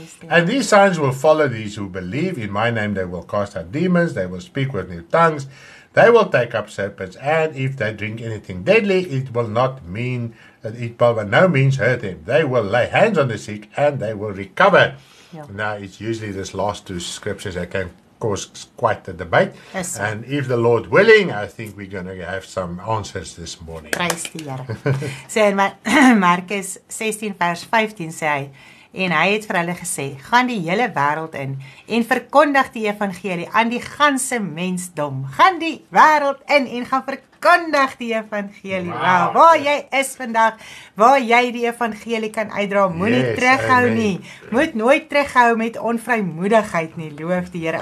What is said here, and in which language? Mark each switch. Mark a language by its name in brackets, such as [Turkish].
[English] And these signs will follow these who believe. In my name they will cast out demons, they will speak with new tongues, they will take up serpents, and if they drink anything deadly, it will by no means hurt them. They will lay hands on the sick, and they will recover. Yeah. Now, it's usually this last two scriptures that can cause quite a debate. Yes. And if the Lord willing, I think we're going to have some answers this morning. [Afrikaans] Prys die Here. So, in Markus 16, vers 15, sê hy, en hy het vir hulle gesê, gaan die hele wêreld in en verkondig die evangelie aan die ganse mensdom. Gaan die wêreld in en gaan verkondig die evangelie. Wow. Waar jy is vandag, waar jy die evangelie kan uitdra, moenie terughou nie. Moet nooit terughou met onvrymoedigheid nie, loof die Here.